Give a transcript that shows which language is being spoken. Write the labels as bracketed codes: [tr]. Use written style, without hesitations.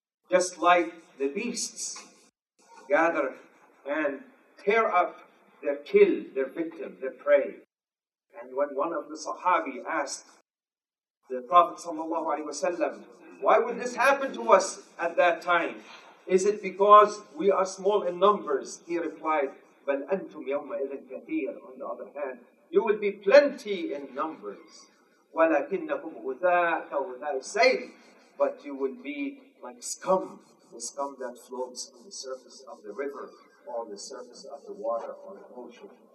[en] Just like the beasts gather and tear up their kill, their victim, their prey. And when one of the Sahabi asked the Prophet sallallahu alayhi wasallam, why would this happen to us at that time? Is it because we are small in numbers? He replied, [ar] بَلْ أَنْتُمْ يَوْمَ إِذٍ كَثِيرٌ. [en] On the other hand, you will be plenty in numbers. [ar] وَلَكِنَّكُمْ غُثَاءَ وَغُثَاءَ السَّيْلِ. [en] But you will be like scum, the scum that floats on the surface of the river, on the surface of the water or the ocean.